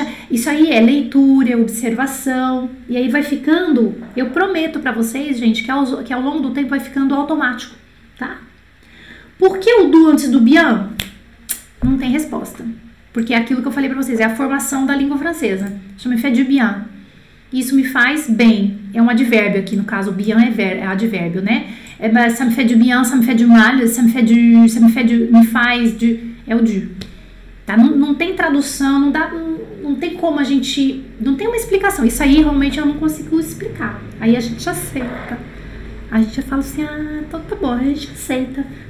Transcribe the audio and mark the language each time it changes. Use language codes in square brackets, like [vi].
[pt] Isso aí é leitura, é observação. E aí vai ficando, eu prometo pra vocês, gente, que ao longo do tempo vai ficando automático, tá? Por que o do antes do bien? Não tem resposta. Porque é aquilo que eu falei pra vocês, é a formação da língua francesa. [fr] Je me fais du bien. [pt] Isso me faz bem. É um advérbio aqui, no caso, bien é advérbio, né? É, [fr] ça me fait du bien, ça me fait du [pt] mal, ça me fait du, me faz du, é o du. Tá? Não tem tradução, não tem como a gente, não tem uma explicação. Isso aí realmente eu não consigo explicar. Aí a gente aceita. A gente já fala assim, ah, então tá bom, a gente aceita.